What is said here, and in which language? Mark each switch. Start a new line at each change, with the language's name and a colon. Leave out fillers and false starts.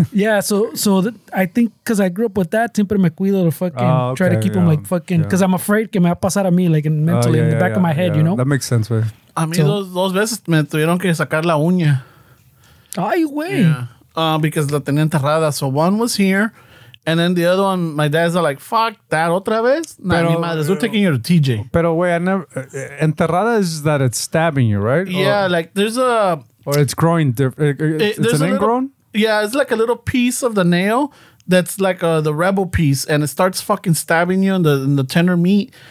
English: Yeah, so I think because I grew up with that,
Spanish: siempre me cuido
English: to fucking try to keep him like fucking. Because I'm afraid
Spanish: que me va a pasar a mí,
English: like mentally in the back of my head, you know? That makes sense, güey.
Spanish: A mí dos veces me tuvieron que sacar la uña. Ay, güey.
English: Yeah. Because
Spanish: la tenía enterrada.
English: So one was here. And then the other one, my dad's are like, fuck that,
Spanish: otra vez?
English: Nah,
Spanish: pero, mi madre,
English: we're taking you to TJ.
Spanish: Pero,
English: wait, I never... enterrada is that it's stabbing you, right? Yeah, or, like, there's a... Or it's growing. It's an ingrown? Little, yeah, it's like a little piece of the nail that's like the rebel piece, and it starts fucking stabbing you in the tender meat.